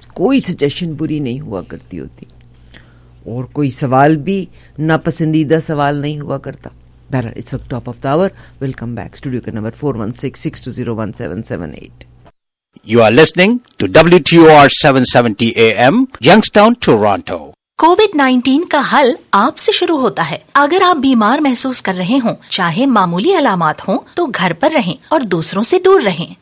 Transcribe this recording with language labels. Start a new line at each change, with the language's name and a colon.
Urdu: کوئی سجیشن بری نہیں ہوا کرتی ہوتی, اور کوئی سوال بھی ناپسندیدہ سوال نہیں ہوا کرتا. بہرحال اس وقت top of the our, welcome back. Studio کا number 416-620-1778.
English: You are listening to WTOR 770 AM Youngstown Toronto.
Urdu: COVID-19 کا حل آپ سے شروع ہوتا ہے. اگر آپ بیمار محسوس کر رہے ہوں, چاہے معمولی علامات ہوں, تو گھر پر رہیں اور دوسروں سے دور رہیں.